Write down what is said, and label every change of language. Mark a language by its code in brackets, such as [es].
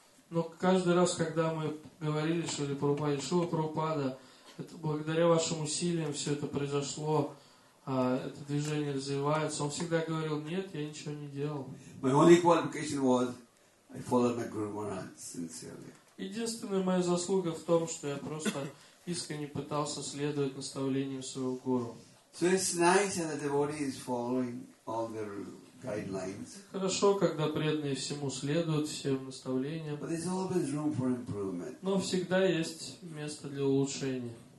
[ru] Но каждый раз, когда мы говорили Шрила Прабхупаде, Шрила Прабхупада, благодаря вашим усилиям все это произошло, это движение развивается, он всегда говорил: нет, я ничего не делал. [en] My only qualification was I followed my Guru Maharaj sincerely. [ru] Единственная моя заслуга в том, что я просто искренне пытался следовать наставлениям своего гуру. [en] So it's nice that the devotee is following all the guidelines. [ru] Хорошо, когда преданные всему следуют всем наставлениям. [en] But there's always room for improvement. [ru] Но всегда есть место для улучшения.